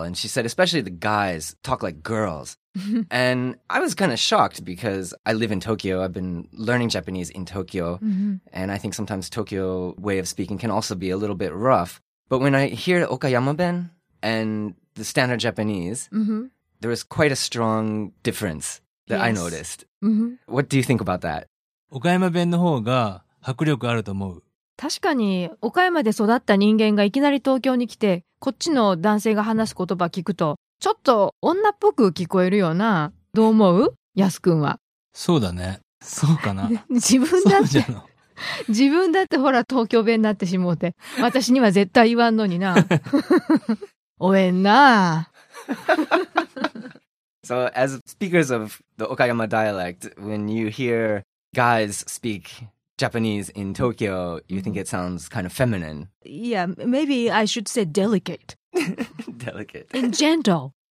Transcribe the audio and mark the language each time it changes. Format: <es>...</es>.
<en>And she said, especially the guys talk like girls. And I was kind of shocked because I live in Tokyo. I've been learning Japanese in Tokyo. Mm-hmm. And I think sometimes Tokyo way of speaking can also be a little bit rough. But when I hear Okayama-ben and the standard Japanese... Mm-hmm. There was quite a strong difference that、yes. I noticed.、 Mm-hmm. What do you think about that?</en> <ja>岡山弁の方が迫力あると思う。確かに岡山で育った人間がいきなり東京に来て、こっちの男性が話す言葉聞くと、ちょっと女っぽく聞こえるよな。どう思う？ヤス君は。そうだね。そうかな。自分だって、自分だってほら東京弁になってしもうて、私には絶対言わんのにな。応援な。</ja> <en>So as speakers of the Okayama dialect, when you hear guys speak Japanese in Tokyo, you、mm-hmm. think it sounds kind of feminine. Yeah, maybe I should say delicate. Delicate. And gentle.</en>